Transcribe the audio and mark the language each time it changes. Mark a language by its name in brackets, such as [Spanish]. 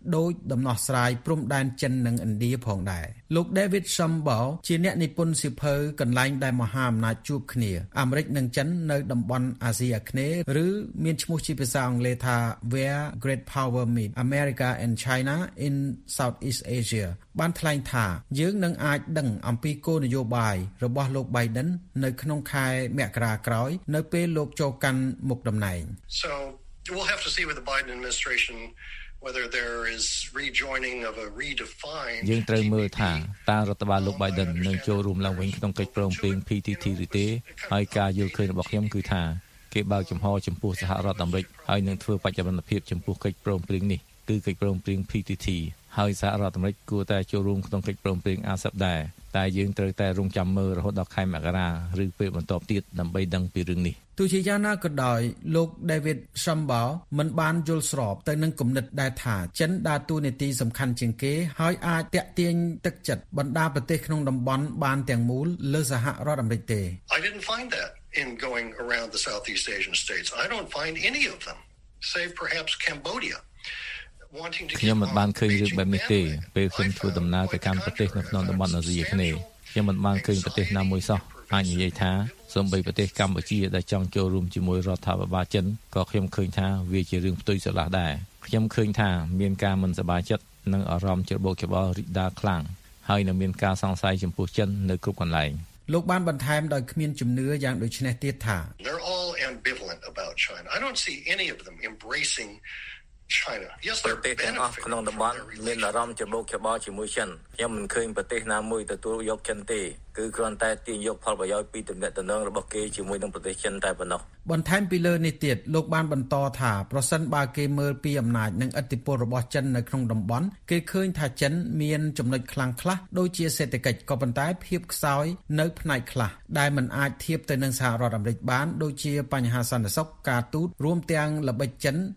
[Khmer] ដោយដំណោះស្រាយព្រំដែនចិននិងឥណ្ឌាផងដែរលោក David Sambal ជាអ្នកនិពន្ធសៀវភៅកន្លែងដែលមហាអំណាចជួបគ្នាអាមេរិកនិងចិននៅតំបន់អាស៊ីអាគ្នេយ៍ឬមានឈ្មោះជាភាសាអង់គ្លេសថា Where Great Power Meet America and China in Southeast Asia បានថ្លែងថាយើងនឹងអាចដឹងអំពីគោលនយោបាយរបស់លោក Biden នៅក្នុងខែមករាក្រោយនៅពេលលោកចូលកាន់មុខតំណែង [English] So we'll have to see with the Biden administrationWhether there is rejoining of a redefined [Khmer] យើងត្រូវមើលថាតើរដ្ឋបាលលោក Biden នឹងចូលរួមឡើងវិញក្នុងកិច្ចព្រមព្រៀង PTT ឬទេហើយការយល់ឃើញរបស់ខ្ញុំគឺថាគេបើកចំហចំពោះសហរដ្ឋអាមេរិកហើយនឹងធ្វើបច្ចុប្បន្នភាពចំពោះកិច្ចព្រមព្រៀងនេះគឺកិច្ចព្រមព្រៀង PTT ហើយសហរដ្ឋអាមេរិកគួរតែចូលរួមក្នុងកិច្ចព្រមព្រៀង ASEP ដែរតែយើងត្រូវតែរង់ចាំមើលរហូតដល់ខែមករាឬពេលបន្តទៀតដើម្បីដឹងពីរឿងនេះ ទោះជាយ៉ាងណាក៏ដោយលោក David Sambal មិនបានយល់ស្របទៅនឹងគំនិតដែលថាចិនដើរតួនាទីសំខាន់ជាងគេហើយអាចទាក់ទាញទឹកចិត្តបណ្ដាប្រទេសក្នុងតំបន់បានទាំងមូលលើសហរដ្ឋអាមេរិកទេ [English] I didn't find that in going around the Southeast Asian states I don't find any of them save perhaps Cambodia [Khmer] ខ្ញុំមិនបានឃើញរឿងបែបនេះទេពេលខ្ញុំធ្វើដំណើរទៅកាន់ប្រទេសនៅក្នុងតំបន់អាស៊ីអាគ្នេយ៍ខ្ញុំមិនបានឃើញប្រទេសណាមួយសោះអាចនិយាយថាសូម្បីប្រទេសកម្ពុជាដែលចង់ចូលរួមជាមួយរដ្ឋាភិបាលចិនក៏ខ្ញុំឃើញថាវាជារឿងផ្ទុយស្រឡះដែរខ្ញុំឃើញថាមានការមិនសប្បាយចិត្តនិងអារម្មណ៍ច្របូកច្របល់រីដាខ្លាំងហើយនៅមានការសង្ស័យចំពោះចិននៅគ្រប់កន្លែង លោកបានបន្ថែមដោយគ្មានជំនឿយ៉ាងដូចនេះទៀតថា [English] They're all ambivalent about China. I don't see any of them embracing [Khmer] ប្រទេសទាំងអស់ក្នុងតំបន់មានអារម្មណ៍ច្របូកច្របល់ជាមួយចិនខ្ញុំមិនឃើញប្រទេសណាមួយទទួលយកចិនទេគឺគ្រាន់តែទាញយកផលប្រយោជន៍ពីទំនាក់ទំនងរបស់គេជាមួយនឹងប្រទេសចិនតែប៉ុណ្ណោះ បន្ថែមពីលើនេះទៀតលោកបានបន្តថាប្រសិនបើគេមើលពីអំណាចនិងឥទ្ធិពលរបស់ចិននៅក្នុងតំបន់គេឃើញថាចិនមានចំណុចខ្លាំងខ្លះដូចជាសេដ្ឋកិច្ចក៏ប៉ុន្តែភាពខ្សោយនៅផ្នែកខ្លះដែលមិនអាចធៀបទៅនឹងសហរដ្ឋអាមេរិកបានដូចជាបញ្ហាសន្តិសុខការទូតរួមទាំងល្បិចចិន